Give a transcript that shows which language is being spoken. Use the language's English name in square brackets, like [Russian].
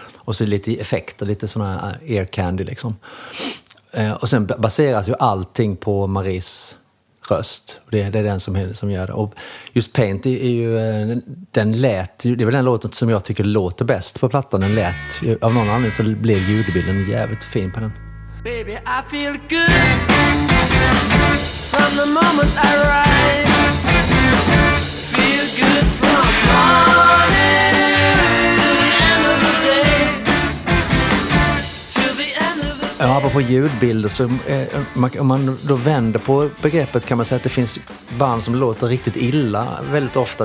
[Swedish] Och så lite effekter, lite sådana här ear candy liksom. Och sen baseras ju allting på Maries röst. Och det är den som gör det. Och just Paint är ju, den lät, det är väl den låten som jag tycker låter bäst på plattan. Den lät, av någon anledning så blev ljudbilden jävligt fin på den. [English] Baby, I feel good. From the moment I arrive, feel good from morning to the end of the day. To the end of the day. [Swedish] Ja, apropå ljudbilder, så om man då vänder på begreppet kan man säga att det finns band som låter riktigt illa väldigt ofta.